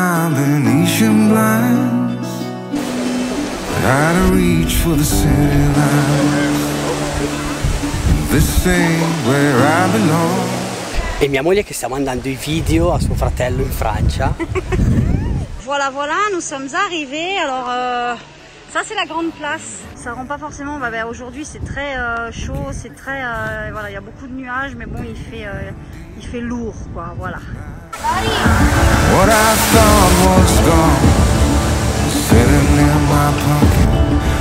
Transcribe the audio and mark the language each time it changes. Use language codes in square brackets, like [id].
[en] Venetian blinds, out of reach for the city lights. [it] E mia moglie che sta mandando i video a suo fratello in Francia. [fr] Voilà, voilà, nous sommes arrivés. Alors, Ça, c'est la grande place. Ça rend pas forcément. Bah, aujourd'hui, c'est très chaud. C'est très. Voilà, il y a beaucoup de nuages, mais bon, il fait lourd, quoi. Voilà. [en] What I thought was gone, sitting in my pumpkin